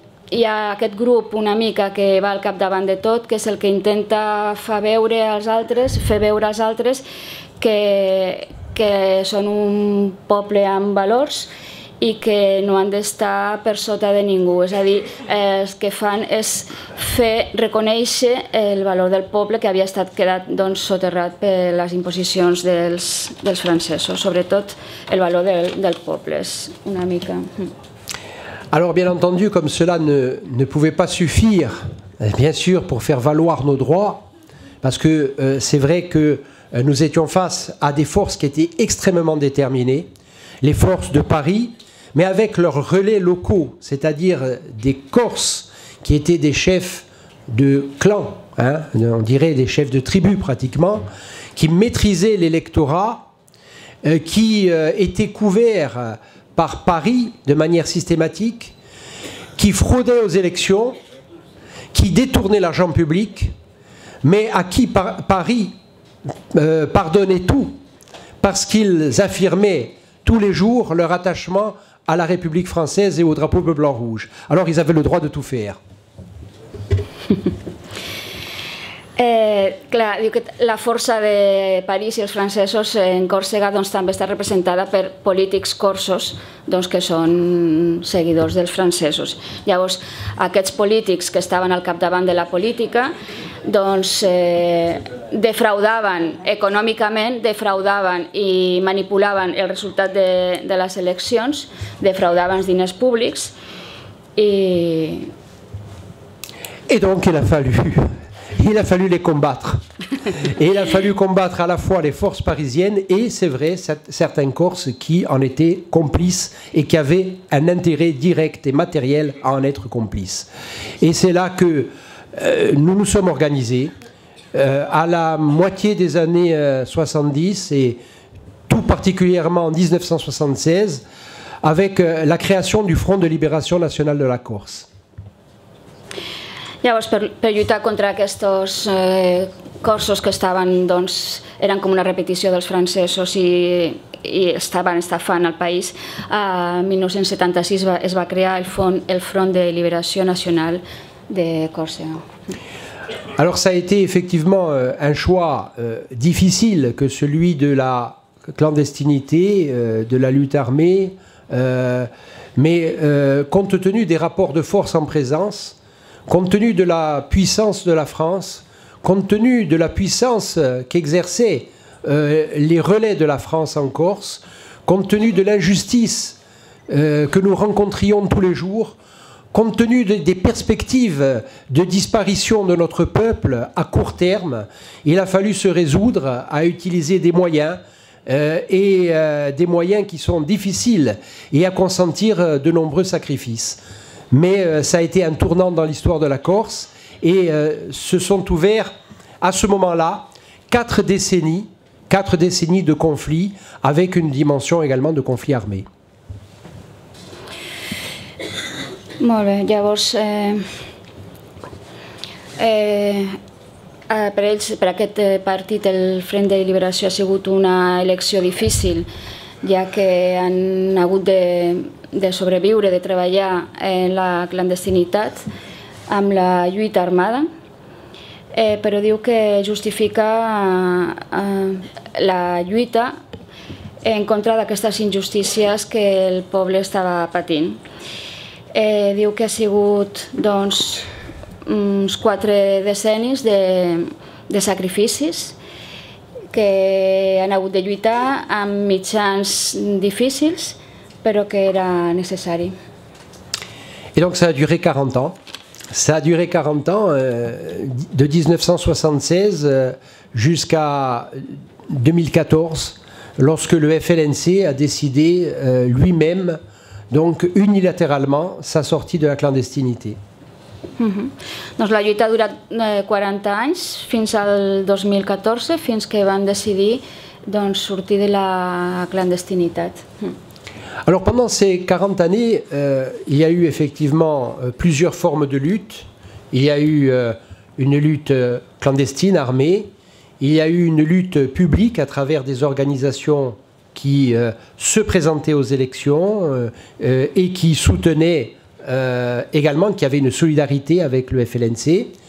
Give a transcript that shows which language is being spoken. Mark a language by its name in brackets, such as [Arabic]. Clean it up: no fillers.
[Catalan] hi ha aquest grup una mica que va al capdavant de tot, que és el que intenta fer veure als altres que són un poble amb valors i que no han d'estar per sota de ningú. És a dir, el que fan és fer reconèixer el valor del poble que havia estat quedat doncs, soterrat per les imposicions dels francesos, sobretot el valor del poble, és una mica. [French] Alors, bien entendu, comme cela ne pouvait pas suffire Bien sûr, pour faire valoir nos droits, parce que c'est vrai que nous étions face à des forces qui étaient extrêmement déterminées, les forces de Paris, mais avec leurs relais locaux, c'est-à-dire des Corses qui étaient des chefs de clans, hein, on dirait des chefs de tribus pratiquement, qui maîtrisaient l'électorat, qui étaient couverts par Paris de manière systématique, qui fraudaient aux élections, qui détournaient l'argent public, mais à qui Paris pardonnait tout, parce qu'ils affirmaient tous les jours leur attachement à la République française et au drapeau bleu, blanc, rouge. Alors ils avaient le droit de tout faire. [Catalan] Clar, diu que la força de París i els francesos en Còrsega doncs, també està representada per polítics corsos doncs, que són seguidors dels francesos. Llavors, aquests polítics que estaven al capdavant de la política doncs, defraudaven econòmicament, defraudaven i manipulaven el resultat de les eleccions, defraudaven els diners públics i... [French] Et donc il a fallu les combattre. Et il a fallu combattre à la fois les forces parisiennes et, c'est vrai, certains Corses qui en étaient complices et qui avaient un intérêt direct et matériel à en être complices. Et c'est là que nous nous sommes organisés à la moitié des années 70 et tout particulièrement en 1976 avec la création du Front de Libération Nationale de la Corse. [Catalan] Llavors, per lluitar contra aquests corsos que estaven, doncs, eren com una repetició dels francesos i estaven estafant el país, en 1976 es va crear el Front de Liberació Nacional de Còrsega. [French] Alors, ça a été effectivement un choix difficile que celui de la clandestinité, de la lutte armée, mais compte tenu des rapports de force en présence, compte tenu de la puissance de la France, compte tenu de la puissance qu'exerçaient les relais de la France en Corse, compte tenu de l'injustice que nous rencontrions tous les jours, compte tenu des perspectives de disparition de notre peuple à court terme, il a fallu se résoudre à utiliser des moyens, des moyens qui sont difficiles et à consentir de nombreux sacrifices. Mais ça a été un tournant dans l'histoire de la Corse et se sont ouverts à ce moment-là quatre décennies de conflits avec une dimension également de conflits armés. [Catalan] Molt bé, llavors, per ells, per aquest partit, el Front de Liberació ha sigut una elecció difícil, ja que han hagut de sobreviure, de treballar en la clandestinitat amb la lluita armada, però diu que justifica la lluita en contra d'aquestes injustícies que el poble estava patint. Diu que ha sigut doncs, uns quatre decennis de sacrificis que han hagut de lluitar amb mitjans difícils, però que era necessari. [French] Et donc ça a duré 40 ans. Ça a duré 40 ans de 1976 jusqu'à 2014 lorsque le FLNC a décidé lui-même donc unilatéralement sa sortie de la clandestinité. [Catalan] Doncs la lluita ha durat 40 anys fins al 2014 fins que van decidir doncs sortir de la clandestinitat. [French] Alors pendant ces 40 années, il y a eu effectivement plusieurs formes de lutte. Il y a eu une lutte clandestine, armée. Il y a eu une lutte publique à travers des organisations qui se présentaient aux élections et qui soutenaient également, qui avaient une solidarité avec le FLNC.